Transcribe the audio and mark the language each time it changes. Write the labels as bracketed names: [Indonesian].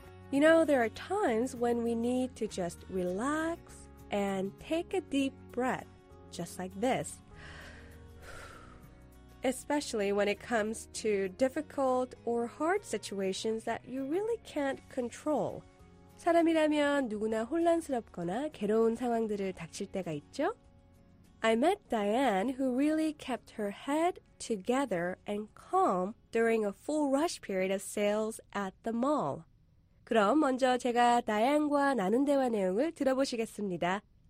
[English] You know, there are times when we need to just relax and take a deep breath, just like this. Especially when it comes to difficult or hard situations that you really can't control. [Korean] 사람이라면 누구나 혼란스럽거나 괴로운 상황들을 닥칠 때가 있죠? [English] I met Diane, who really kept her head together and calm during a full rush period of sales at the mall. [Korean] 그럼 먼저 제가 다이안과 나눈 대화 내용을 들어보시겠습니다.